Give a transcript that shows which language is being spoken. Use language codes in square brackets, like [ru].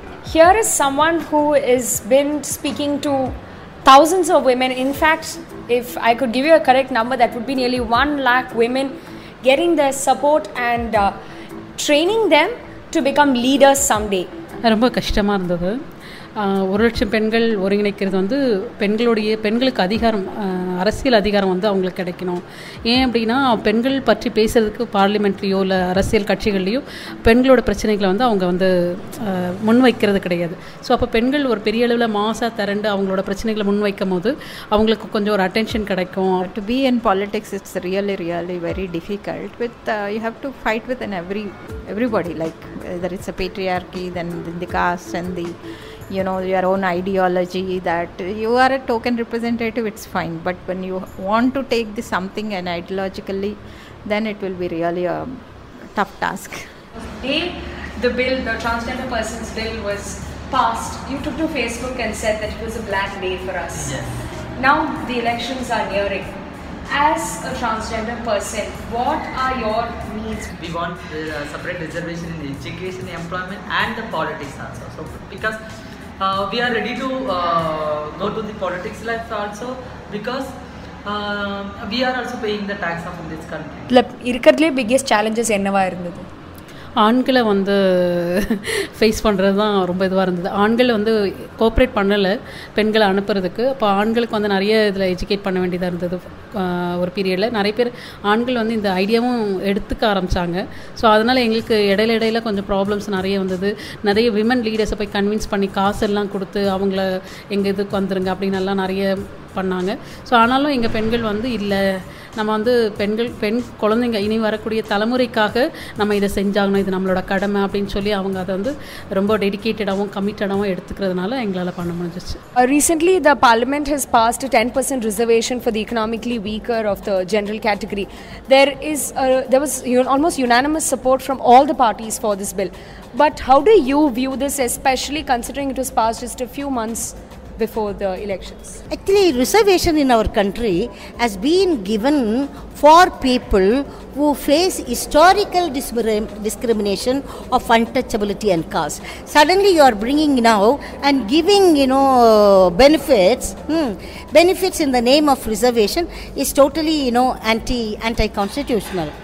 [en] Here is someone who has been speaking to thousands of women. In fact, if I could give you a correct number, that would be nearly 1 lakh women, getting their support and training them to become leaders someday. [ta] ஒரு 100,000 பெண்கள் ஒருங்கிணைக்கிறது வந்து பெண்களுடைய பெண்களுக்கு அதிகாரம், அரசியல் அதிகாரம் வந்து அவங்களுக்கு கிடைக்கணும். ஏன் அப்படின்னா பெண்கள் பற்றி பேசுறதுக்கு பார்லிமெண்ட்லேயோ இல்லை அரசியல் கட்சிகள்லேயோ பெண்களோட பிரச்சனைகளை வந்து அவங்க வந்து முன்வைக்கிறது கிடையாது. ஸோ அப்போ பெண்கள் ஒரு பெரிய அளவில் மாசாக திரண்டு அவங்களோட பிரச்சனைகளை முன்வைக்கும் போது அவங்களுக்கு கொஞ்சம் ஒரு அட்டென்ஷன் கிடைக்கும். [en] To be in politics it's really really very difficult with you have to fight with an everybody like whether it's a patriarchy then the caste and the you know your own ideology, that you are a token representative, it's fine, but when you want to take this something and ideologically, then it will be really a tough task. The bill, the transgender persons bill, was passed. You took to Facebook and said that it was a black day for us. Yes. Now the elections are nearing. As a transgender person, what are your needs? We want separate reservation in education, employment and the politics also. So because we are ready to go to the politics life also, because we are also paying the tax of this country. [ta] இருக்கிறதுலே biggest challenges என்னவாக இருந்தது? ஆண்களை வந்து face பண்ணுறது தான் ரொம்ப இதுவாக இருந்தது. ஆண்களை வந்து கோஆப்ரேட் பண்ணலை பெண்களை அனுப்புறதுக்கு. அப்போ ஆண்களுக்கு வந்து நிறைய இதில் எஜுகேட் பண்ண வேண்டியதாக இருந்தது. ஒரு பீரியடில் நிறைய பேர் ஆண்கள் வந்து இந்த ஐடியாவும் எடுத்துக்க ஆரம்பித்தாங்க. ஸோ அதனால் எங்களுக்கு இடையில இடையில கொஞ்சம் ப்ராப்ளம்ஸ் நிறைய வந்தது. நிறைய விமன் லீடர்ஸை போய் கன்வின்ஸ் பண்ணி காசெல்லாம் கொடுத்து அவங்கள எங்கள் இதுக்கு வந்துருங்க அப்படின்னு எல்லாம் நிறைய பண்ணாங்க. ஸோ ஆனாலும் எங்கள் பெண்கள் வந்து இல்லை, நம்ம வந்து பெண்கள் பெண் குழந்தைங்க இனி வரக்கூடிய தலைமுறைக்காக நம்ம இதை செஞ்சாகணும், இது நம்மளோட கடமை அப்படின்னு சொல்லி அவங்க அதை வந்து ரொம்ப டெடிக்கேட்டடாகவும் கமிட்டடாகவும் எடுத்துக்கிறதுனால எங்களால் பண்ண முடிஞ்சிச்சு. [en] Recently the parliament has passed 10% reservation for the economically weaker of the general category. There was almost unanimous support from all the parties for this bill. But how do you view this, especially considering it is passed just a few months before the elections? Actually, reservation in our country has been given for people who face historical discrimination of untouchability and caste. Suddenly you are bringing now and giving, you know, benefits, benefits in the name of reservation is totally, you know, anti-constitutional.